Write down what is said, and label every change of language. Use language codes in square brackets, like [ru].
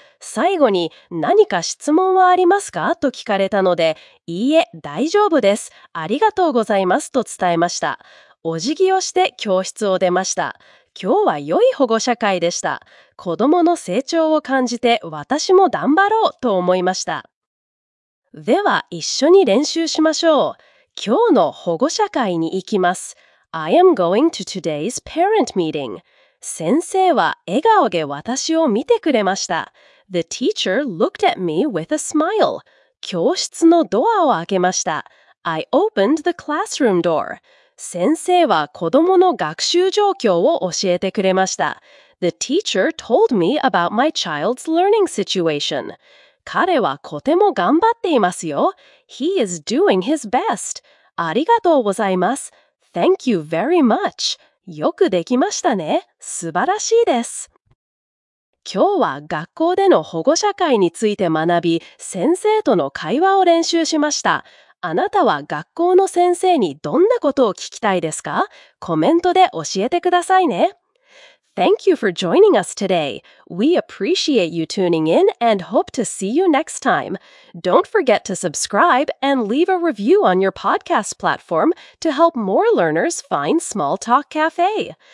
[ja] 最後に何か質問はありますか？と聞かれたので、いいえ、大丈夫です。ありがとうございます、と伝えました。お辞儀をして教室を出ました。今日は良い保護者会でした。子供の成長を感じて私も頑張ろうと思いました。では一緒に練習しましょう。今日の保護者会に行きます。 [en] I am going to today's parent meeting. [ja] 先生は笑顔で私を見てくれました。 [en] The teacher looked at me with a smile. [ja] 教室のドアを開けました。 [en] I opened the classroom door. [ja] 先生は子どもの学習状況を教えてくれました。 [en] The teacher told me about my child's learning situation. [ja] 彼はとても頑張っていますよ。 [en] He is doing his best. [ja] ありがとうございます。 [en] Thank you very much. [ja] よくできましたね。素晴らしいです。今日は学校での保護者会について学び、先生との会話を練習しました。あなたは学校の先生にどんなことを聞きたいですか？コメントで教えてくださいね。 [en] Thank you for joining us today. We appreciate you tuning in and hope to see you next time. Don't forget to subscribe and leave a review on your podcast platform to help more learners find Small Talk Cafe.